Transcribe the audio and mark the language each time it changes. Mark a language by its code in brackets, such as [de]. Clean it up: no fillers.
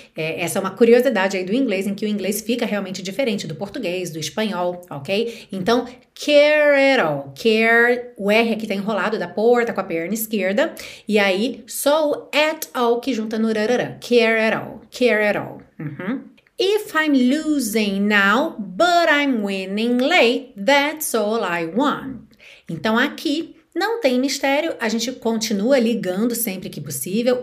[pt] Essa é uma curiosidade aí do inglês, em que o inglês fica realmente diferente do português, do espanhol, ok? Então, care at all. Care, o R aqui tá enrolado da porta com a perna esquerda. E aí, só o at all que junta no rararã. [en] Care at all. Care at all. Uhum. If I'm losing now, but I'm winning late, that's all I want. [pt] Então, aqui, não tem mistério, a gente continua ligando sempre que possível.